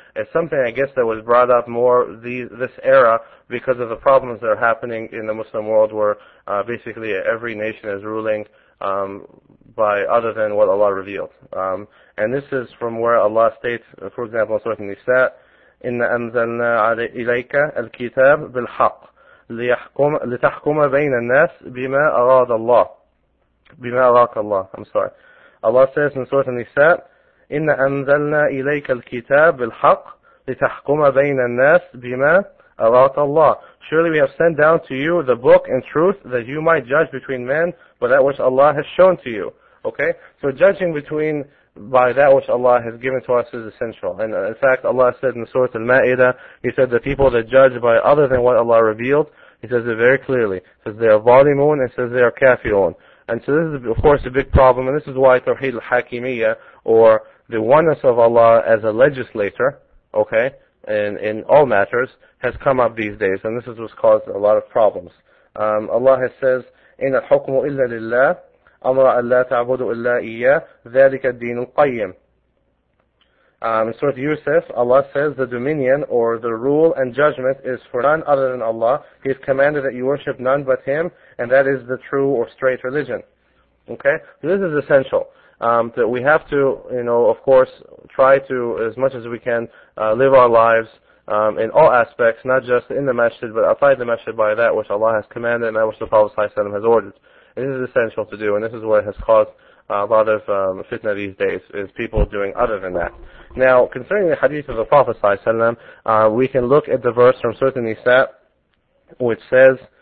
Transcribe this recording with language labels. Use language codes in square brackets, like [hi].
[en] It's something, I guess, that was brought up more this era because of the problems that are happening in the Muslim world where basically every nation is ruling by other than what Allah revealed. And this is from where Allah states, for example, in Surah An-Nisa, [ar] إن أنزلنا إليك الكتاب بالحق ليحكم لتحكم بين الناس بما أراد الله بما أراك الله. [en] I'm sorry. Allah says in Surah An-Nisa, [ar] إن أنزلنا إليك الكتاب بالحق لتحكم بين الناس بما أراك الله. [en] Surely we have sent down to you the book and truth that you might judge between men by that which Allah has shown to you. Okay? So judging between by that which Allah has given to us is essential. And in fact, Allah said in Surah Al-Ma'idah, He said the people that judge by other than what Allah revealed, He says it very clearly. He says they are zalimun and says they are kafirun. And so this is, of course, a big problem. And this is why Tawheed al-Hakimiyyah, or the oneness of Allah as a legislator, okay, in all matters, has come up these days. And this is what's caused a lot of problems. Allah has says, [ar] إن الحكم إلا لله أمر أن لا تعبدوا إلا إياه ذلك الدين القيم. [en] In Surah Yusuf, Allah says, the dominion or the rule and judgment is for none other than Allah. He has commanded that you worship none but Him, and that is the true or straight religion. Okay? So this is essential. That we have to, you know, of course, try to, as much as we can, live our lives in all aspects, not just in the masjid, but outside the masjid by that which Allah has commanded and that which the Prophet ﷺ has ordered. And this is essential to do, and this is what has caused a lot of fitna these days, is people doing other than that. Now, concerning the hadith of the Prophet ﷺ, we can look at the verse from Surah An-Nisa, which says,